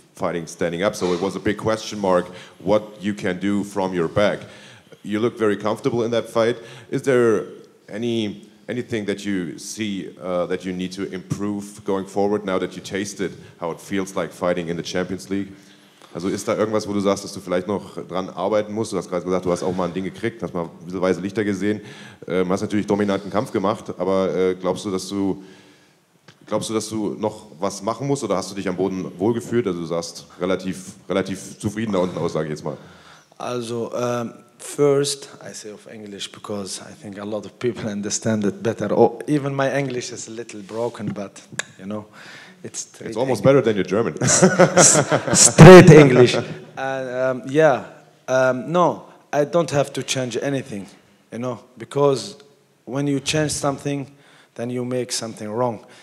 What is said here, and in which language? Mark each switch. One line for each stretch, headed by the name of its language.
English: fighting standing up, so it was a big question mark what you can do from your back. You look very comfortable in that fight. Is there anything that you see that you need to improve going forward now that you tasted how it feels like fighting in the Champions League?
German: Also ist da irgendwas, wo du sagst, dass du vielleicht noch dran arbeiten musst? Du hast gerade gesagt, du hast auch mal ein Ding gekriegt, hast mal ein bisschen weiße Lichter gesehen. Du hast natürlich dominanten Kampf gemacht, aber glaubst du, dass du noch was machen musst oder hast du dich am Boden wohlgefühlt? Also du sagst, relativ zufrieden da unten aus, sage ich jetzt mal.
English: Also, first, I say of English, because I think a lot of people understand it better. Oh, even my English is a little broken, but, you know. It's almost better than your German. Straight English. No, I don't have to change anything, you know, because when you change something, then you make something wrong.